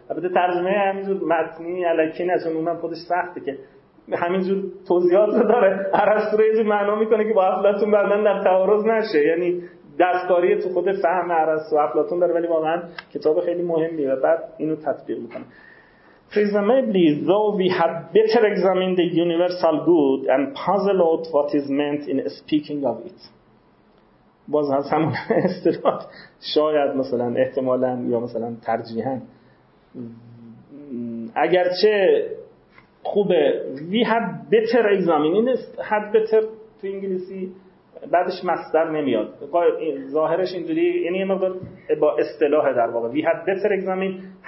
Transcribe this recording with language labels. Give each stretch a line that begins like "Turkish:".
Persian: البته ترجمه همینجور متنی الکی نشون اونم خودش سخته که همینجور توضیحات رو داره ارسطو رو یه جور معنا میکنه که با افلاطون بعدن در تعارض نشه، یعنی دستکاری تو خود فهم ارسطو افلاطون داره، ولی واقعا کتاب خیلی مهمیه و بعد اینو تطبیق میکنه.
English: Presumably, though we had better examined the universal good and puzzle out what is meant in speaking of it.
Persian: باز از همون استفاد شاید مثلا احتمالا یا مثلا ترجیحاً اگرچه خوبه،
English: we had better examined.
Persian: این had better تو انگلیسی بعدش مصدر نمیاد، ظاهرش اینجوری، یعنی یه مقدار با اصطلاح در واقع
English: we had better examined.